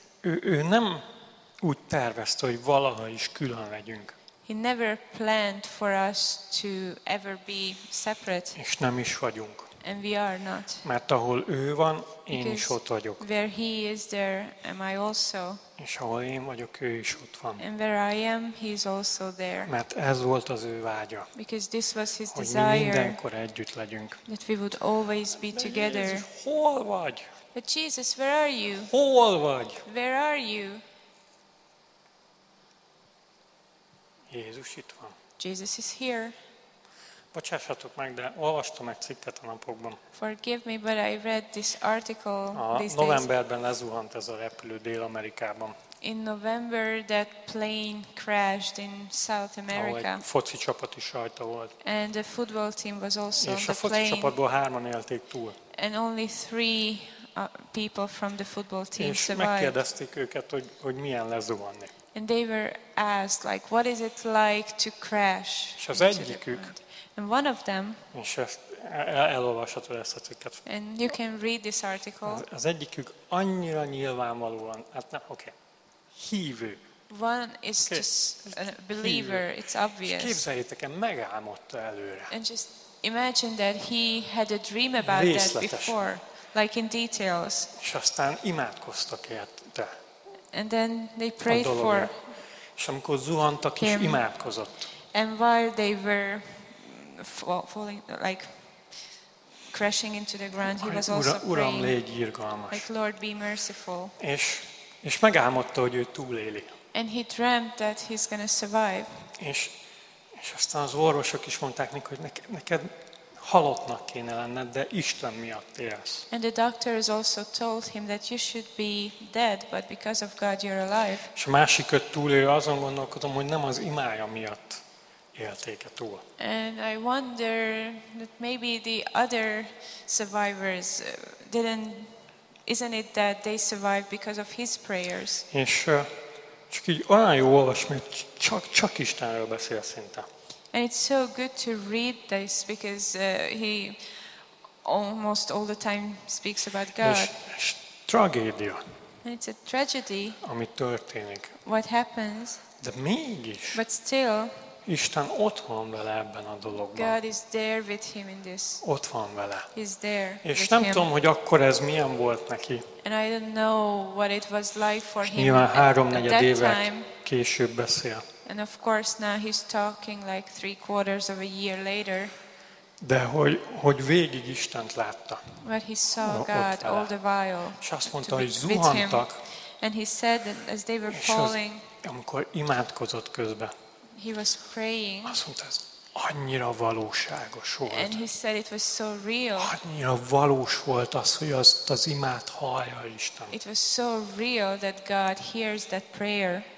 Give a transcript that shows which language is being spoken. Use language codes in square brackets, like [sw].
[hu] Ő nem úgy tervezte, hogy valaha is külön legyünk. [en] He never planned for us to ever be separate. [hu] És nem is vagyunk. [en] And we are not. [hu] Mert ahol ő van, én is ott vagyok. [en] Where he is, there am I also. [hu] És ahol én vagyok, ő is ott van. [en] And where I am, he is also there. [hu] Mert ez volt az ő vágya. [en] Because this was his [hu] hogy [en] desire. [hu] Hogy mindenkor együtt legyünk. [en] That we would always be together. [hu] Jézus, hol vagy? [en] But Jesus, where are you? [hu] Hol vagy? [en] Where are you? [hu] Jézus itt van. [en] Jesus is here. [hu] Bocsássatok meg, de olvastam egy cikket a napokban. [en] Forgive me, but I read this article [hu] A novemberben lezuhant ez a repülő Dél-Amerikában. [en] In November that plane crashed in South America. [hu] A foci csapat is rajta volt. [en] And the football team was also on the plane. [hu] És a foci csapatból hárman élték túl. [en] And only three people from the football team [hu] és [en] survived. [hu] És megkérdezték őket, hogy milyen lezuhanni. [en] And they were asked, like, what is it like to crash? [hu] És az egyikük. [en] And one of them. [hu] És ezt elolvashatod ezt a cikket. [en] And you can read this article. [hu] Az egyikük annyira nyilvánvalóan, hát nem, [en] oké. Okay. [hu] Hívő. [en] One is okay. Just a believer. [hu] Hívő. [en] It's obvious. [hu] Képzeljétek el, megálmodta előre. [en] And just imagine that he had a dream about [hu] részletesen. [en] That before, like in details. [hu] És aztán imádkoztak érte. [en] And then they prayed for. [hu] És amikor zuhantak is imádkozott. [en] And while they were falling, like crashing into the ground, he was also praying. [hu] Uram, légy irgalmas. [en] Like Lord, be merciful. [hu] És megálmodta, hogy ő túléli. [en] And he dreamt that he's gonna survive. [hu] És aztán az orvosok is mondták neki, hogy neked halottnak kéne lenned, de Isten miatt élsz. [en] And the doctors also told him that you should be dead, but because of God you're alive. [hu] És a másik öt túlélő azon gondolkodom, hogy nem az imája miatt élték-e túl. [en] And I wonder that maybe the other survivors didn't. Isn't it that they survived because of his prayers? [hu] És csak így olyan jó olvasni, hogy csak Istenről beszél szinte. [en] And it's so good to read this because he almost all the time speaks about God. [hu] És tragédia. [en] And it's a tragedy. [hu] Ami történik. [en] What happens? [hu] De mégis. [en] But still. [hu] Isten ott van vele ebben a dologban. [en] God is there with him in this. [hu] Ott van vele. [en] He's there. [hu] És nem [en] him. [hu] Tudom, hogy akkor ez milyen volt neki. [en] And I don't know what it was like for him. [hu] Nyilván 3/4 évvel később beszél. [en] And of course now he's talking like 3/4 of a year later. [hu] De hogy végig Istent látta. [en] But he saw God all the while. [hu] És azt mondta, hogy zuhantak. [en] And he said that as they were falling. [hu] Amikor imádkozott közben. [en] He was praying. [hu] Azt mondta, ez annyira valóságos volt. [en] And he said it was so real. [hu] Annyira valós volt az, hogy azt az imát hallja Isten. [en] It was so real that God hears that prayer.